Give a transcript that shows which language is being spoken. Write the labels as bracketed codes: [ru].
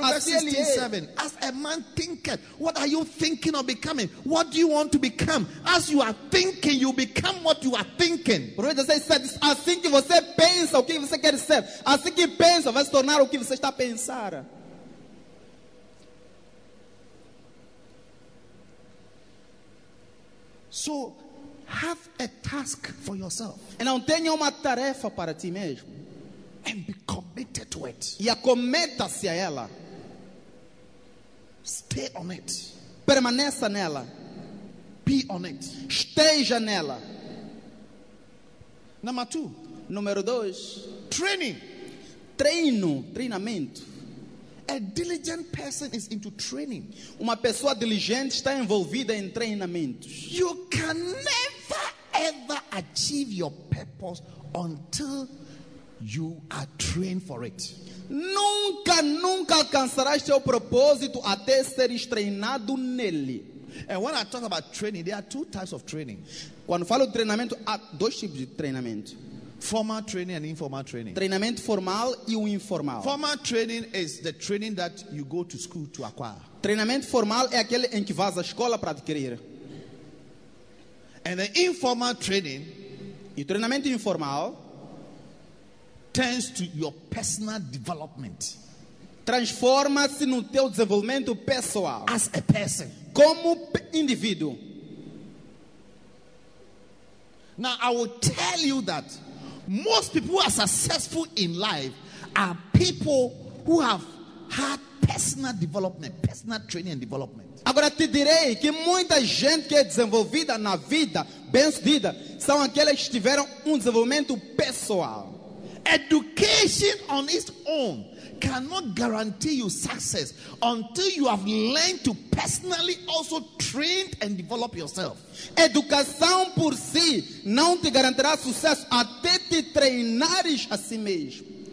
[pt] assim ele é. [en] As a man thinketh, what are you thinking of becoming? What do you want to become? As you are thinking, you become what you are thinking. [pt] Profeta [en] says, [pt] assim que você pensa o que você quer ser, assim que pensa, vai se tornar o que você está a pensar. [en] So, have a task for yourself. [pt] Então tenha uma tarefa para ti mesmo. [en] And be committed to it. [pt] E acometa-se a ela. [en] Stay on it. [pt] Permaneça nela. [en] Be on it. [pt] Esteja nela. [en] Number two. [pt] Número dois. [en] Training. [pt] Treino. Treinamento. [en] A diligent person is into training. [pt] Uma pessoa diligente está envolvida em treinamentos. [en] You can never ever achieve your purpose until you are trained for it. [pt] Nunca, nunca alcançarás seu propósito até seres treinado nele. [en] And when I talk about training, there are two types of training. [pt] Quando falo de treinamento, há dois tipos de treinamento. [en] Formal training and informal training. [pt] Treinamento formal e o informal. [en] Formal training is the training that you go to school to acquire. [pt] Treinamento formal é aquele em que vas à escola para adquirir. [en] And the informal training, [pt] e treinamento informal, [en] tends to your personal development. [pt] Transforma-se no teu desenvolvimento pessoal. [en] As a person. [pt] Como indivíduo. [en] Now I will tell you that most people who are successful in life are people who have had personal development, personal training and development. [pt] Agora te direi que muita gente que é desenvolvida na vida, bem-sucedida, são aquelas que tiveram desenvolvimento pessoal. [en] Education on its own cannot guarantee you success until you have learned to personally also train and develop yourself. [pt] Educação por si não te garantirá sucesso até te treinares a si mesmo.